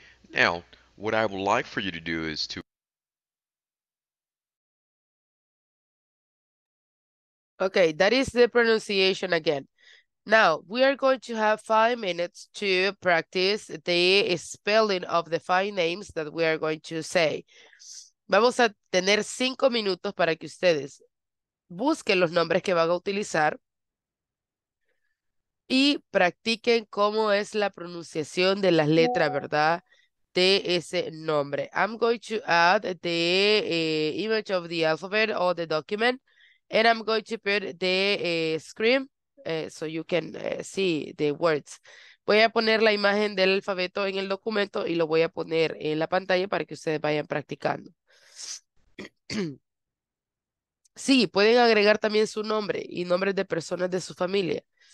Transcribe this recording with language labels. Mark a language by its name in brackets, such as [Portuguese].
[English] Now, what I would like for you to do is to okay, that is the pronunciation again. Now, we are going to have 5 minutes to practice the spelling of the 5 names that we are going to say. [Spanish] Vamos a tener 5 minutos para que ustedes busquen los nombres que van a utilizar y practiquen cómo es la pronunciación de las letras, ¿verdad?, de ese nombre. [English] I'm going to add the image of the alphabet or the document. And I'm going to put the screen so you can see the words. [Spanish] Voy a poner la imagen del alfabeto en el documento y lo voy a poner en la pantalla para que ustedes vayan practicando. Sí, pueden agregar también su nombre y nombres de personas de su familia.